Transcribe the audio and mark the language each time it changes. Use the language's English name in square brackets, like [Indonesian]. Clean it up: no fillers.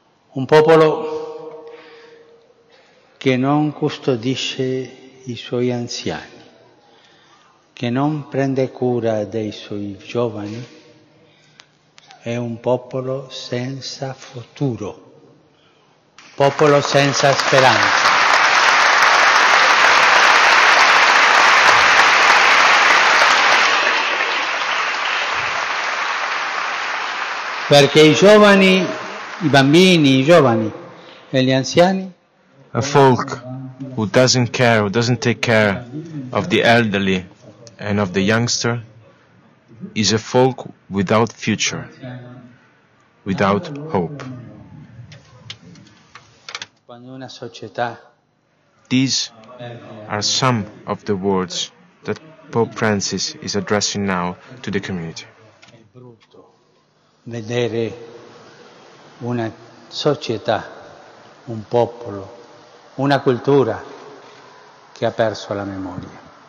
[Italian] Un popolo che non custodisce i suoi anziani, che non prende cura dei suoi giovani, è un popolo senza futuro, un popolo senza speranza. Perché i giovani, i bambini, i giovani e gli anziani. [English] A folk who doesn't care, who doesn't take care of the elderly and of the youngster, is a folk without future, without hope. These are some of the words that Pope Francis is addressing now to the community. [Italian] Vedere una società, un popolo, una cultura che ha perso la memoria.